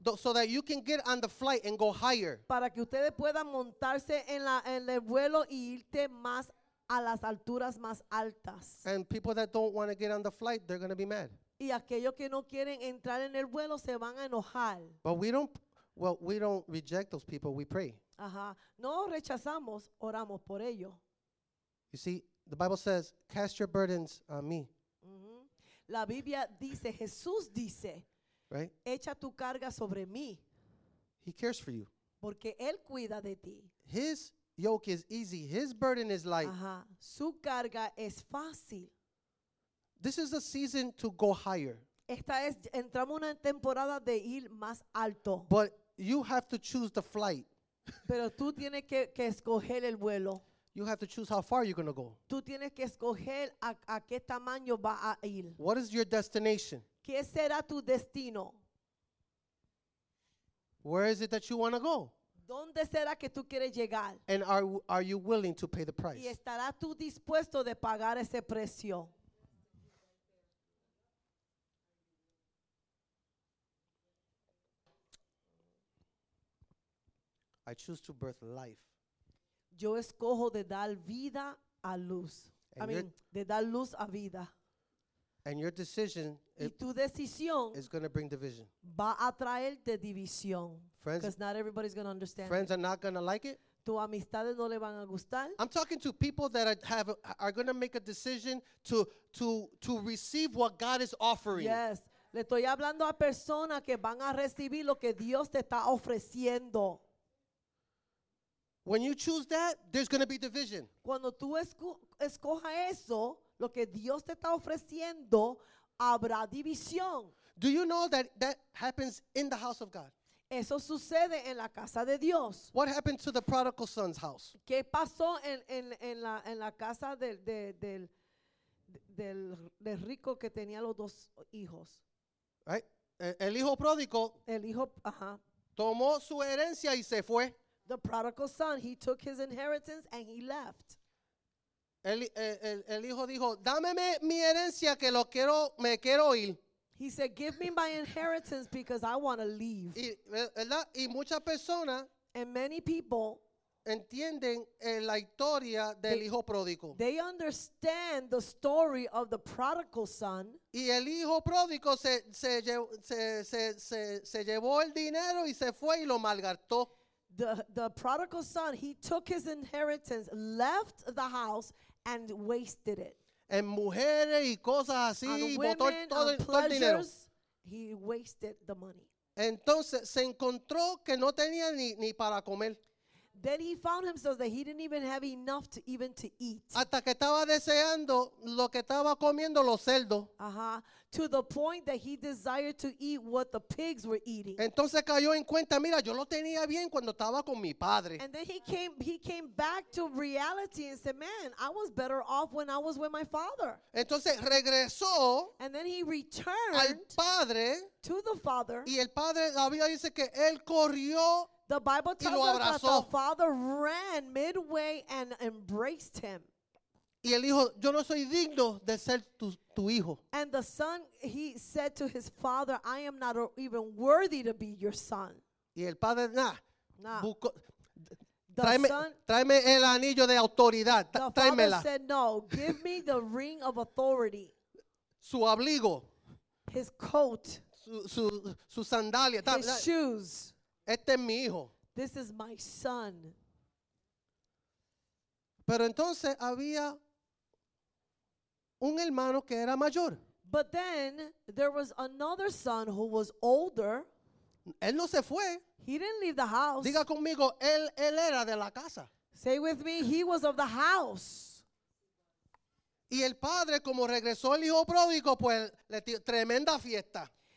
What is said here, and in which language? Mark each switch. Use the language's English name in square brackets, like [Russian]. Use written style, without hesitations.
[English] so that you can get on the flight and go higher. [Spanish] Para que ustedes puedan montarse en el vuelo y irte más a las alturas más altas. [English] And people that don't want to get on the flight, they're going to be mad. [Spanish] Y aquellos que no quieren entrar en el vuelo se van a enojar. [English] But we don't reject those people, we pray. [Spanish] No rechazamos, oramos por ello. [English] You see, the Bible says, cast your burdens on me. [Spanish] La Biblia dice, Jesús dice, [English] right? [Spanish] Echa tu carga sobre mí. [English] He cares for you. [Spanish] Porque Él cuida de ti. [English] His yoke is easy. His burden is light. [Spanish] Su carga es fácil. [English] This is a season to go higher. [Spanish] Esta es, entramos una temporada de ir más alto. [English] But you have to choose the flight. [Spanish] Pero tú tienes que escoger el vuelo. [English] You have to choose how far you're going to go. [Spanish] Tú tienes que escoger a qué tamaño va a ir. [English] What is your destination? [Spanish] ¿Qué será tu destino? [English] Where is it that you want to go? [Spanish] ¿Dónde será que tú quieres llegar? [English] And are you willing to pay the price? [Spanish] ¿Y estarás tú dispuesto de pagar ese precio? [English] I choose to birth life. [Spanish] Yo escojo de dar vida a luz. De dar luz a vida. [English] And your decision is going to bring division. [Spanish] Va a traer de división. [English] Because not everybody's going to understand. Friends it. Are not going to like it. [Spanish] Tu amistades no le van a gustar. [English] I'm talking to people that are going to make a decision to receive what God is offering. Yes. [Spanish] Le estoy hablando a personas que van a recibir lo que Dios te está ofreciendo. [English] When you choose that, there's going to be division. [Spanish] Cuando tú escoja eso, lo que Dios te está ofreciendo, habrá división. [English] Do you know that that happens in the house of God? [Spanish] Eso sucede en la casa de Dios. [English] What happened to the prodigal son's house? [Spanish] ¿Qué pasó en la casa del rico que tenía los dos hijos? Right? El hijo pródigo. El hijo, tomó su herencia y se fue. [English] The prodigal son, he took his inheritance and he left. [Spanish] El hijo dijo, dame mi herencia que lo quiero, me quiero ir. [English] He said, give me my inheritance because I want to leave. [Spanish] Y muchas personas, [English] and many people, [Spanish] entienden la historia del hijo pródigo. [English] They understand the story of the prodigal son. [Spanish] Y el hijo pródigo se llevó el dinero y se fue y lo malgastó. [English] The prodigal son, he took his inheritance, left the house, and wasted it. [Spanish] En mujeres y cosas así, botó todo el dinero. [English] He wasted the money. [Spanish] Entonces se encontró que no tenía ni para comer. [English] Then he found himself that he didn't even have enough to even to eat. [Spanish] Hasta que estaba deseando lo que estaba comiendo los cerdos. [English] To the point that he desired to eat what the pigs were eating. [Spanish] Entonces cayó en cuenta, mira, yo lo tenía bien cuando estaba con mi padre. [English] And then he came back to reality and said, man, I was better off when I was with my father. [Spanish] Entonces regresó. [English] And then he returned [Spanish] al padre. [English] To the father. [Spanish] Y el padre, la Biblia dice que él corrió. [English] The Bible tells us that the father ran midway and embraced him. [Spanish] Y el hijo, yo no soy digno de ser tu hijo. [English] And the son, he said to his father, I am not even worthy to be your son. [Spanish] Y el padre, nah. Nah. Buco, tráeme el anillo de autoridad. Tráemela. [English] Father said, no, give me the ring of authority. [Spanish] Su abrigo. [English] His coat. [Spanish] Su sandalia. [English] His shoes. [Spanish] Este es mi hijo. [English] This is my son. [Spanish] Pero entonces había un hermano que era mayor. [English] But then there was another son who was older. [Spanish] Él no se fue. [English] He didn't leave the house. [Spanish] Diga conmigo, él era de la casa. [English] Say with me, he was of the house. [Spanish] Y el padre, como regresó el hijo pródigo, pues le dio tremenda fiesta.